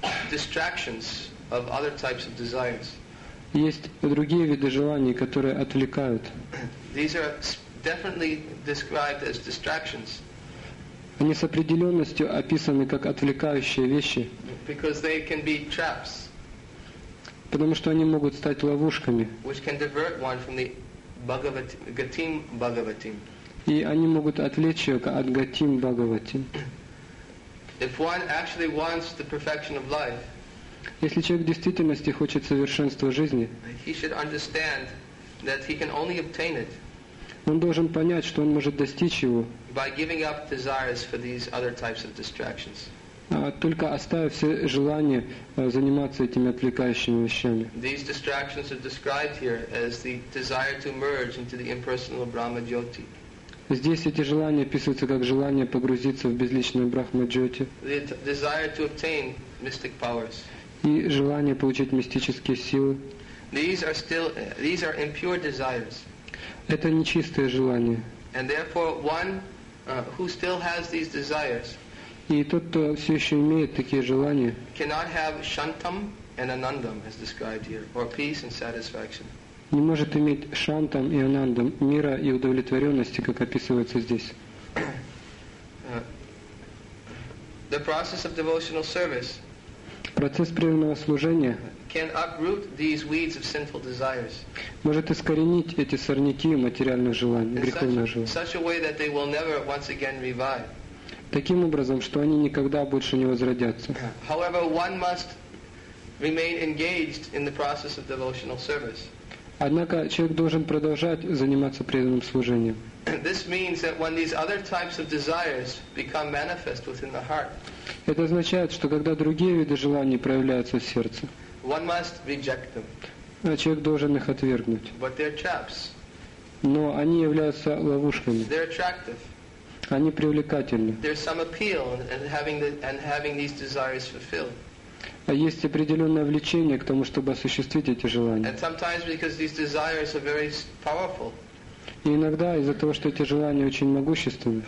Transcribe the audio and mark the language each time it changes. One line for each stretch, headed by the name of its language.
English: distractions of other types of desires.
Russian: Есть другие виды желаний, которые отвлекают.
English: These are definitely described as distractions.
Russian: Они с определенностью описаны как отвлекающие вещи.
English: Because they can be traps.
Russian: Потому что они могут стать ловушками.
English: Which can divert one from the Gatim Bhagavatim.
Russian: И они могут отвлечь ее от Gatim Bhagavatim.
English: If one actually wants the perfection of life,
Russian: если человек в действительности хочет совершенства жизни,
English: he should understand that he can only obtain it,
Russian: он должен понять, что он может достичь его,
English: by giving up desires for these other types of distractions.
Russian: Только оставив все желания заниматься этими отвлекающими вещами.
English: These distractions are described here as the desire to merge into the impersonal Brahma Jyoti.
Russian: Здесь эти желания описываются как желание погрузиться в безличное брахма-джоти.
English: The desire to obtain mystic powers.
Russian: И желание получить мистические силы.
English: These are impure desires.
Russian: Это нечистое желание.
English: And therefore, one who still has these desires.
Russian: И тот, кто все еще имеет такие желания,
English: cannot have shantam and anandam, as described here, or peace and satisfaction.
Russian: Не может иметь шантам и анандам, мира и удовлетворенности, как описывается здесь.
English: The process of devotional service.
Russian: Процесс преданного служения.
English: Can uproot these weeds of sinful desires.
Russian: Может искоренить эти сорняки материальных желаний, греховных желаний.
English: In such a way that they will never once again revive.
Russian: Таким образом, что они никогда больше не возродятся.
English: However, one must remain engaged in the process of devotional service.
Russian: Однако человек должен продолжать заниматься преданным служением.
English: This means that when these other types of desires become manifest within the heart.
Russian: Это означает, что когда другие виды желаний проявляются в сердце.
English: One must reject them.
Russian: Человек должен их отвергнуть.
English: But they're traps.
Russian: Но они являются ловушками.
English: They're attractive.
Russian: Они привлекательны.
English: There's some appeal in having these desires fulfilled.
Russian: А есть определенное влечение к тому, чтобы осуществить эти желания.
English: And sometimes because these desires are very powerful.
Russian: И иногда из-за того, что эти желания очень могущественны.